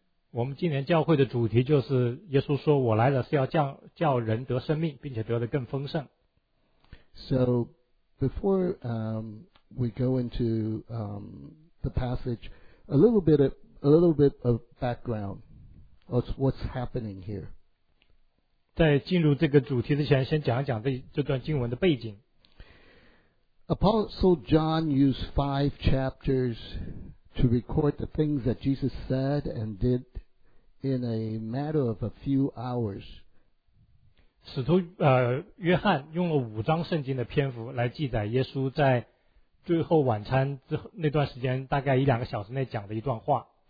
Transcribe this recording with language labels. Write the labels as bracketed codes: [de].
[zh] 我们今年教会的主题就是耶稣说，我来了是要叫人得生命，并且得的更丰盛。 [en] So before we go into the passage, a little bit of background, what's happening here. [zh] 在进入这个主题之前，先讲一讲这段经文的背景。 [en] Apostle John used 5 chapters to record the things that Jesus said and did in a matter of a few hours. [zh] 使徒约翰用了5章圣经的篇幅来记载耶稣在最后晚餐之后那段时间大概一两个小时内讲的一段话。